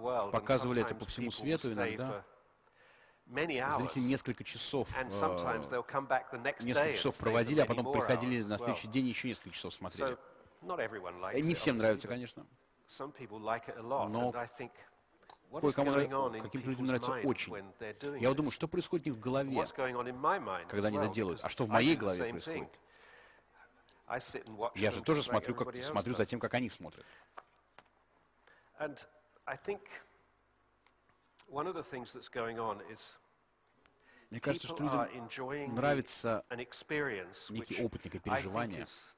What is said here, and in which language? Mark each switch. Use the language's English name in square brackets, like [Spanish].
[Russian] Показывали это по всему свету иногда. Зрители несколько часов, проводили, а потом приходили на следующий день и еще несколько часов смотрели. Не всем нравится, конечно. [English] Some people like it a lot, and I think. [Russian] Кое-кому, каким-то людям нравится очень. Я думаю, что происходит у них в голове, когда они это делают, а что в моей голове происходит? Я же тоже смотрю, как, смотрю за тем, как они смотрят. Мне кажется, что людям нравится некий опыт, некое переживание.